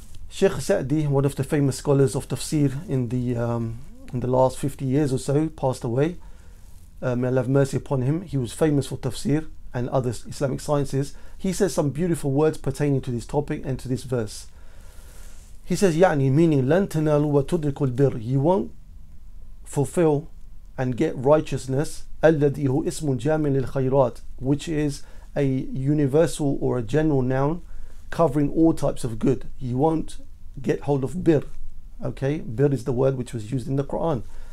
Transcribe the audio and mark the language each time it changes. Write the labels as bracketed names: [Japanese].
[English] Sheikh Sa'di, one of the famous scholars of tafsir in the last 50 years or so, passed away. May Allah have mercy upon him. He was famous for tafsir and other Islamic sciences. He says some beautiful words pertaining to this topic and to this verse. He says, [Arabic] يعني, [English] meaning, [Arabic] لَن تَنَالُوا وَتُدْرِكُوا الْبِرْ. [English] You won't fulfill and get righteousness, [Arabic] الَّذِي هُوَ اسْمُ جَامِعٍ لِلْخَيْرَاتِ, [English] which is a universal or a general noun covering all types of good. You won't get hold of birr. Okay, birr is the word which was used in the Quran.